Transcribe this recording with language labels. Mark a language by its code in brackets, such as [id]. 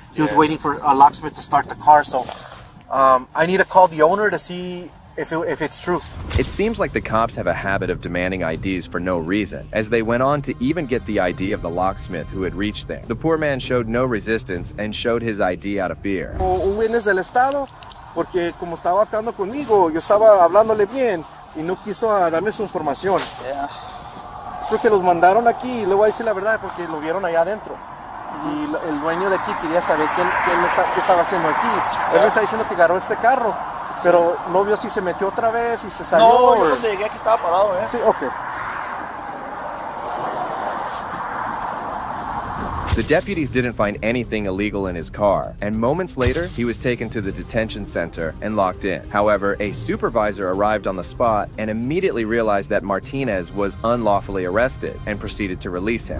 [en] He was waiting for a locksmith to start the car. So I need to call the owner to see if it's true. It seems like the cops have a habit of demanding IDs for no reason, as they went on to even get the ID of the locksmith who had reached there. The poor man showed no resistance and showed his ID out of fear. [es] Un bien es del estado, porque como estaba actuando conmigo, yo estaba hablándole bien y no quiso darme su información. Creo que los mandaron aquí y le voy a decir la verdad porque lo vieron allá adentro. Y el dueño de aquí quería saber qué estaba haciendo aquí. Él me está diciendo que agarró este carro, pero no vio si se metió otra vez y se salió. No, yo donde llegué aquí estaba parado, ¿eh? Sí, ok. [en] The deputies didn't find anything illegal in his car, and moments later, he was taken to the detention center and locked in. However, a supervisor arrived on the spot and immediately realized that Martinez was unlawfully arrested and proceeded to release him.